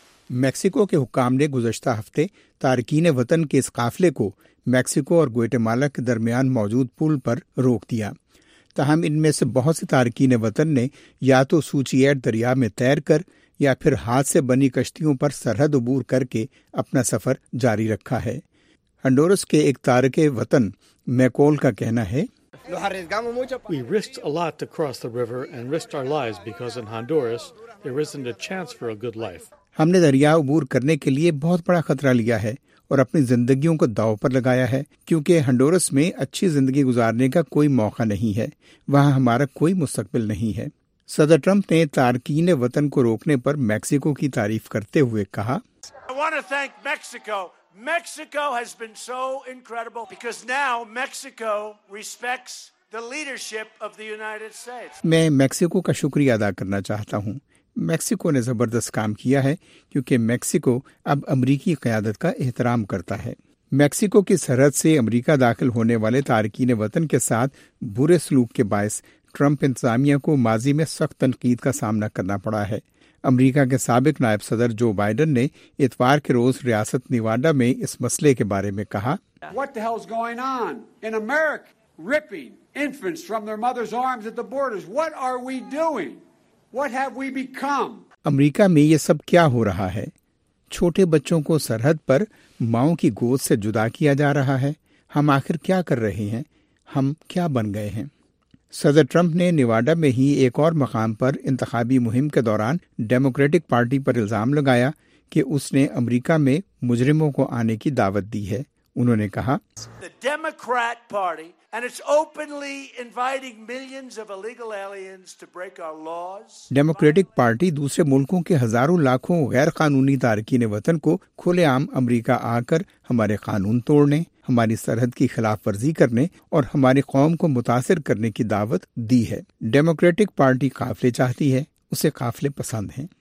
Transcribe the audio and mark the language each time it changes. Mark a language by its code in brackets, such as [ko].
[ur] Mexico کے حکام نے گزشتہ ہفتے تارکین وطن کے اس قافلے کو میکسیکو اور گواٹیمالا کے درمیان موجود پل پر روک دیا. تاہم ان میں سے بہت سے تارکین وطن نے یا تو سوچی ایٹ دریا میں تیر کر یا پھر ہاتھ سے بنی کشتیوں پر سرحد عبور کر کے اپنا سفر جاری رکھا ہے. ہنڈورس کے ایک تارک وطن میکول کا کہنا ہے, [en] We risked a lot to cross the river and risked our lives because in Honduras there isn't a chance for a good life. [ur] ہم نے دریا عبور کرنے کے لیے بہت بڑا خطرہ لیا ہے اور اپنی زندگیوں کو داؤ پر لگایا ہے, کیونکہ ہنڈورس میں اچھی زندگی گزارنے کا کوئی موقع نہیں ہے, وہاں ہمارا کوئی مستقبل نہیں ہے. صدر ٹرمپ نے تارکین وطن کو روکنے پر میکسیکو کی تعریف کرتے ہوئے کہا, [en] I want to thank Mexico. Mexico has been so incredible because now Mexico respects the leadership of the United States. [ur] میں میکسیکو کا شکریہ ادا کرنا چاہتا ہوں. میکسیکو نے زبردست کام کیا ہے کیونکہ میکسیکو اب امریکی قیادت کا احترام کرتا ہے. میکسیکو کی سرحد سے امریکہ داخل ہونے والے تارکین وطن کے ساتھ برے سلوک کے باعث ٹرمپ انتظامیہ کو ماضی میں سخت تنقید کا سامنا کرنا پڑا ہے. امریکہ کے سابق نائب صدر جو بائیڈن نے اتوار کے روز ریاست نیواڈا میں اس مسئلے کے بارے میں کہا, [en] What the hell is going on in America ripping infants from their mother's arms at the borders? What are we doing? What have we become? [ur] امریکہ میں یہ سب کیا ہو رہا ہے؟ چھوٹے بچوں کو سرحد پر ماؤں کی گود سے جدا کیا جا رہا ہے. ہم آخر کیا کر رہے ہیں؟ ہم کیا بن گئے ہیں؟ صدر ٹرمپ نے نیواڈا میں ہی ایک اور مقام پر انتخابی مہم کے دوران ڈیموکریٹک پارٹی پر الزام لگایا کہ اس نے امریکہ میں مجرموں کو آنے کی دعوت دی ہے. انہوں نے کہا, [en] The Democrat Party and it's openly inviting millions of illegal aliens to break our laws. [ur] Democratic party دوسرے ملکوں کے ہزاروں لاکھوں غیر قانونی تارکین وطن کو کھلے عام امریکہ آ کر ہمارے قانون توڑنے, ہماری سرحد کی خلاف ورزی کرنے اور ہماری قوم کو متاثر کرنے کی دعوت دی ہے. ڈیموکریٹک پارٹی قافلے چاہتی ہے, اسے قافلے پسند ہیں.